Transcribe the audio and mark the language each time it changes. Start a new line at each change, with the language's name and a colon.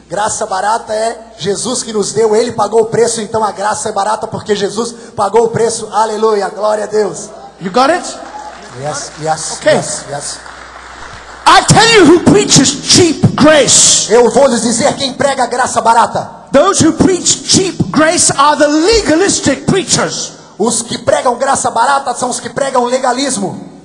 Portuguese: Graça barata é Jesus que nos deu, ele pagou o preço, então a graça é barata porque Jesus pagou o preço. Aleluia, glória a Deus.
English: You got it? Yes. Okay. Yes. I tell you who preaches cheap grace.
Portuguese: Eu vou lhes dizer quem prega graça barata.
English: Those who preach cheap grace are the legalistic preachers.
Portuguese: Os que pregam graça barata são os que pregam legalismo.